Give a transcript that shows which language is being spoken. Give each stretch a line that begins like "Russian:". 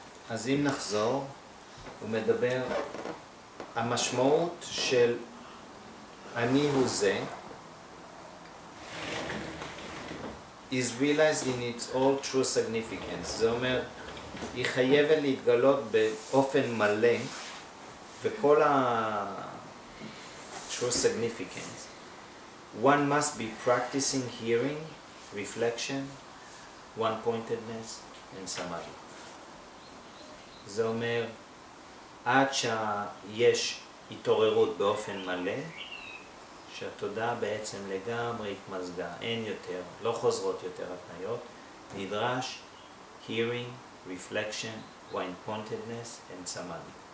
Hebrew: אז אם נחזור, הוא מדבר, המשמעות של אני הוא זה
English: is realized in its all true significance.
Hebrew: זה אומר, היא חייבת להתגלות באופן מלא וכל ה-true significance.
English: One must be practicing hearing, reflection, one-pointedness and samadhi.
Hebrew: זה אומר, עד שיש התעוררות באופן מלא, שהתודעה בעצם לגמרי התמזגה, אין יותר, לא חוזרות יותר התניות, נדרש
English: hearing, reflection, one-pointedness and samadhi.